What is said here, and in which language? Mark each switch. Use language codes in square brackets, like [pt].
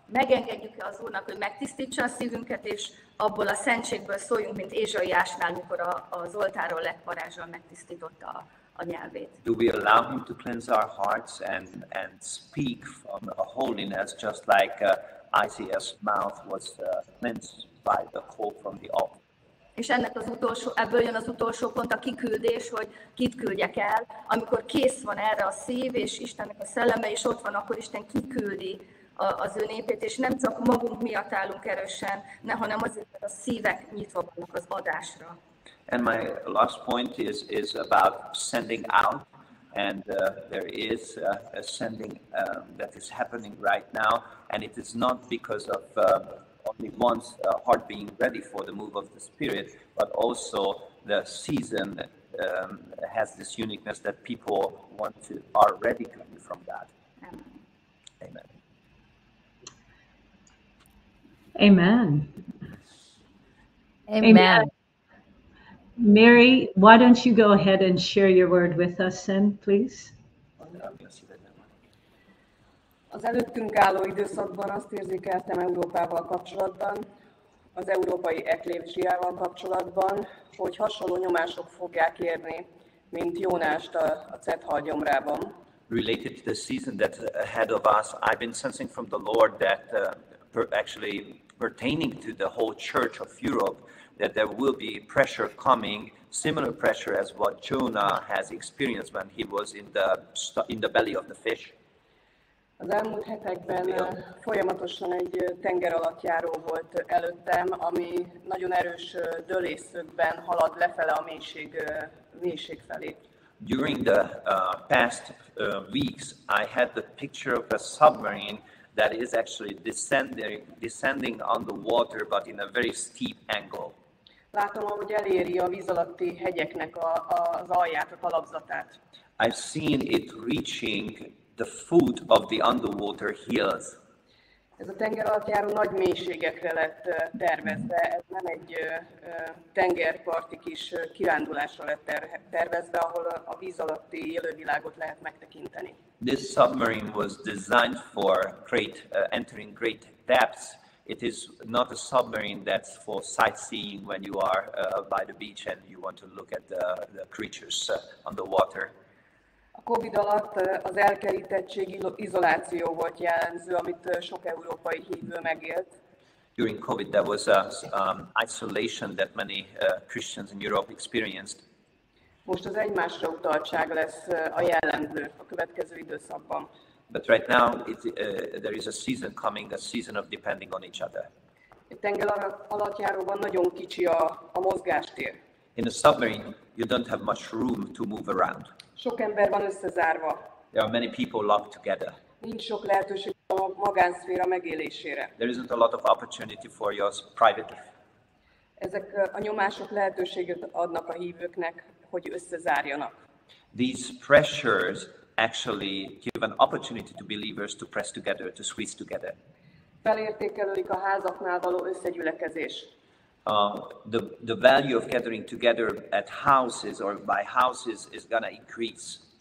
[hu] Megengedjük-e az Úrnak, hogy megtisztítsa a szívünket, és abból a szentségből szóljunk, mint Ézsaiásnál, mikor az oltáról lett varázsal megtisztította a nyelvét. [en] Do we allow him to cleanse our hearts and speak from a holiness, just like Isaiah's mouth was cleansed by the call from the altar? [hu] És ennek az utolsó, ebből jön az utolsó pont, a kiküldés, hogy kit küldjek el. Amikor kész van erre a szív, és Istennek a szelleme is ott van, akkor Isten kiküldi az ő népét, és nem csak magunk miatt állunk erősen, hanem azért, hogy a szívek nyitva vannak az adásra. [en] And my last point is about sending out, and there is a sending that is happening right now, and it is not because of only one's heart being ready for the move of the Spirit, but also the season has this uniqueness that people want to are ready coming from God. Amen. Amen. Amen. Amen. Mary, why don't you go ahead and share your word with us then, please? [hu] Az előttünk álló időszakban azt érzékeltem Európával kapcsolatban, az európai eklézsiával kapcsolatban, hogy hasonló nyomások fogják érni, mint Jónást a Cet hagyomrában. [en] Related to the season that ahead of us, I've been sensing from the Lord that actually pertaining to the whole church of Europe, that there will be pressure coming, similar pressure as what Jonah has experienced when he was in the belly of the fish. [hu] Az elmúlt hetekben folyamatosan egy tenger alattjáró volt előttem, ami nagyon erős dőlésszögben halad lefele a mélység felé. [en] During the past weeks, I had the picture of a submarine that is actually descending on the water, but in a very steep angle. [hu] Látom, ahogy eléri a víz alatti hegyeknek az alját, a talapzatát. [en] I've seen it reaching the foot of the underwater hills. [hu] Ez a tenger alattjáró nagy mélységekre lett tervezve, ez nem egy tengerparti kis kirándulásra lett tervezve, ahol a víz alatti élővilágot lehet megtekinteni. [en] This submarine was designed for entering great depths. It is not a submarine that's for sightseeing when you are by the beach and you want to look at the creatures on the water. [hu] A COVID alatt az elkerítettség, izoláció volt jellemző, amit sok európai hívő megélt. [en] During COVID there was a isolation that many Christians in Europe experienced. [hu] Most az egymásra utaltság lesz a jellemző a következő időszakban. [en] But right now, there is a season coming, a season of depending on each other. [hu] Tenger alattjáróban nagyon kicsi a mozgástér. [en] In a submarine, you don't have much room to move around. [hu] Sok ember van összezárva. [en] There are many people locked together. [hu] Nincs sok lehetőség a magánszféra megélésére. [en] There isn't a lot of opportunity for your private life. [hu] Ezek a nyomások lehetőséget adnak a hívőknek, hogy összezárjanak. [en] These pressures actually give an opportunity to believers to press together, to squeeze together. [hu] Felértékelődik a házaknál való összegyűlökezés. [en] The value of gathering together at houses or by houses is going to increase.